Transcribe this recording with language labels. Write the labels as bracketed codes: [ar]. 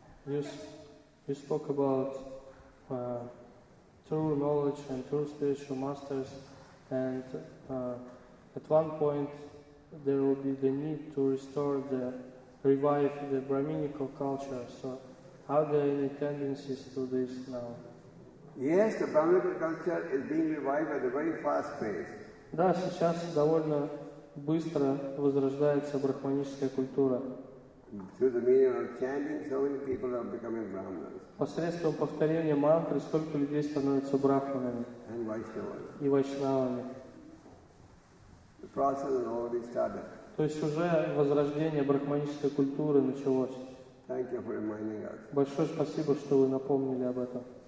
[en] You spoke about true knowledge and true spiritual masters, and at one point there will be the need to restore the, revive the Brahminical culture. So are there any tendencies to this now? Yes, the Brahminical culture is being revived at a very fast pace. [ru] Да, сейчас довольно быстро возрождается брахманическая культура. [en] Through the meaning of chanting, so many people are becoming brahmanas. [ru] Посредством повторения мантры столько людей становятся брахманами. [en] And vaishnavas. [ru] И вайшнавами. [en] The process has already started. [ru] То есть уже возрождение брахманической культуры началось. [en] Thank you for reminding us. [ru] Большое спасибо, что вы напомнили об этом.